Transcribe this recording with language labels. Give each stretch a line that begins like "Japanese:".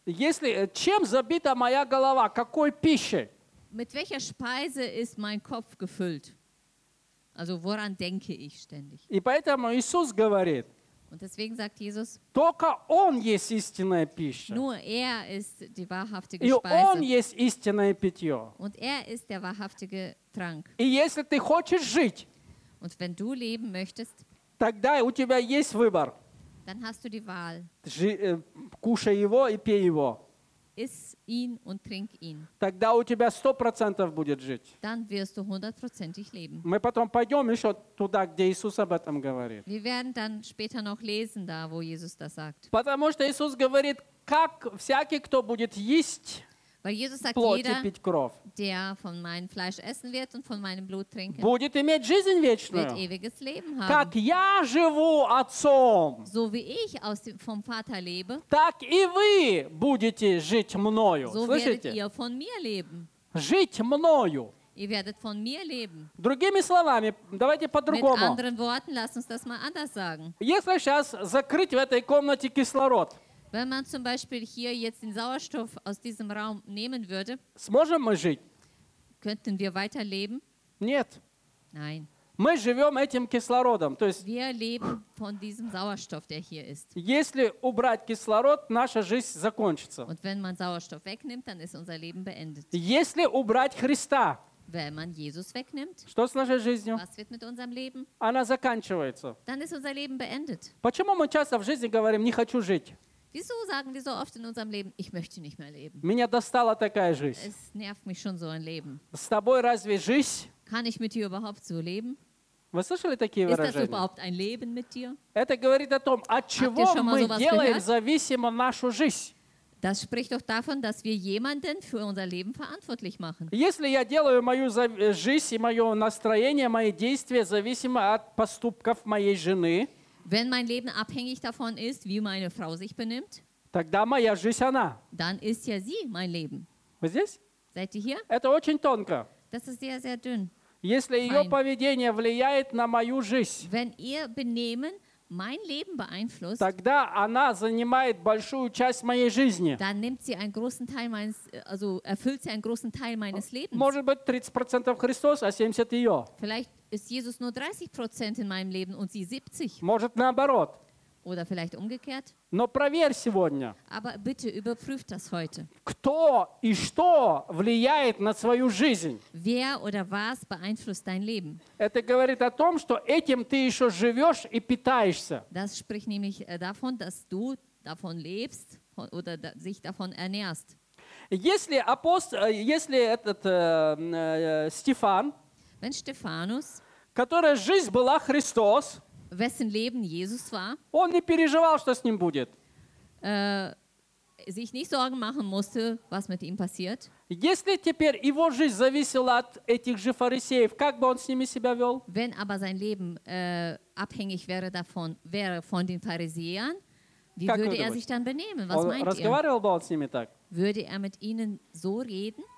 Russian: Если, чем забита моя голова? Какой пищи?
German: Mit welcher Speise ist mein Kopf gefüllt? Also woran denke ich ständig?
Russian: И поэтому Иисус говорит,
German: und deswegen sagt Jesus,
Russian: только Он есть истинная пища.
German: Nur er ist die wahrhaftige
Russian: И
German: Speise.
Russian: Он есть истинное питье.
German: Und er ist der wahrhaftige Trank.
Russian: И если ты хочешь жить,
German: und wenn du leben möchtest,
Russian: тогда у тебя есть выбор.
German: Dann hast du die Wahl.
Russian: Кушай его и пей его.
German: Iss ihn und trink ihn.
Russian: Тогда у тебя 100% будет жить.
German: Dann wirst du 100%ig leben.
Russian: Мы потом пойдем еще туда, где Иисус об этом говорит.
German: Wir werden dann später noch lesen, da, wo Jesus das sagt.
Russian: Потому что Иисус говорит, как всякий, кто будет есть
German: Weil Jesus sagt,
Russian: плоть
German: jeder,
Russian: и пить кровь,
German: der von meinem Fleisch essen wird und von meinem Blut trinken,
Russian: будет иметь жизнь вечную,
German: wird ewiges Leben haben.
Russian: Как я живу отцом,
German: so wie ich aus dem, vom Vater lebe,
Russian: так и вы будете жить мною.
German: So
Russian: слышите?
German: Werdet ihr von mir leben.
Russian: Жить мною.
German: Ihr werdet von mir leben.
Russian: Другими словами, давайте по-другому.
German: Mit anderen Worten, lass uns das mal anders sagen.
Russian: Если сейчас закрыть в этой комнате кислород,
German: wenn man zum Beispiel hier jetzt den Sauerstoff aus diesem Raum nehmen würde,
Russian: сможем мы жить?
German: Könnten wir weiterleben?
Russian: Нет.
German: Nein.
Russian: Мы живем этим кислородом. То есть,
German: wir leben von diesem Sauerstoff, der hier ist.
Russian: Если убрать кислород, наша жизнь закончится.
German: Und wenn man Sauerstoff wegnimmt, dann ist unser Leben beendet.
Russian: Если убрать Христа,
German: wenn man Jesus wegnimmt,
Russian: что с нашей жизнью?
German: Was wird mit unserem Leben?
Russian: Она заканчивается.
German: Dann ist unser Leben beendet.
Russian: Почему мы часто в жизни говорим, не хочу жить?
German: Wieso sagen wir so oft in unserem Leben, ich möchte nicht mehr leben?
Russian: Меня достала такая жизнь.
German: Es nervt mich schon so ein Leben.
Russian: С тобой разве жизнь?
German: Kann ich mit dir überhaupt so leben?
Russian: Вы слышали такие выражения?
German: Ist das überhaupt ein Leben mit dir?
Russian: Это говорит о том, от чего мы делаем зависимо нашу жизнь.
German: Das spricht doch davon, dass wir jemanden für unser Leben verantwortlich machen.
Russian: Если я делаю мою жизнь и моё настроение, мои действия зависимы от поступков моей жены,
German: wenn mein Leben abhängig davon ist, wie meine Frau sich benimmt,
Russian: тогда моя жизнь она.
German: Dann ist ja sie mein Leben.
Russian: Вы здесь?
German: Seid ihr hier?
Russian: Это очень тонко.
German: Das ist sehr, sehr dünn.
Russian: Если ее поведение влияет на мою жизнь,
German: wenn ihr Benehmen mein Leben beeinflusst,
Russian: тогда она занимает большую часть моей жизни.
German: Dann nimmt sie einen großen Teil meines, also erfüllt sie einen großen Teil meines Lebens.
Russian: Может быть 30% Христос, а 70% ее.
German: Vielleicht ist Jesus nur 30% in meinem Leben und sie 70.
Russian: Может наоборот.
German: Oder vielleicht umgekehrt.
Russian: Но проверь сегодня.
German: Aber bitte überprüf das heute.
Russian: Кто и что влияет на свою жизнь?
German: Wer oder was beeinflusst dein Leben?
Russian: Это говорит о том, что этим ты еще живешь и питаешься.
German: Das spricht nämlich davon, dass du davon lebst oder sich davon ernährst.
Russian: Если Стефан,
German: wenn Stephanus,
Russian: которая жизнь была Христос,
German: wessen Leben Jesus war,
Russian: он не переживал, что с ним будет.
German: Sich nicht Sorgen machen musste, was mit ihm passiert.
Russian: Если теперь его жизнь зависела от этих же фарисеев, как бы он с ними себя вел?
German: Wenn aber sein Leben abhängig wäre davon, wäre von den Pharisäern, wie как würde er sich dann benehmen? Was
Russian: он
German: meint
Russian: разговаривал
German: ihr?
Russian: Бы он с ними так?
German: Würde er mit ihnen so reden?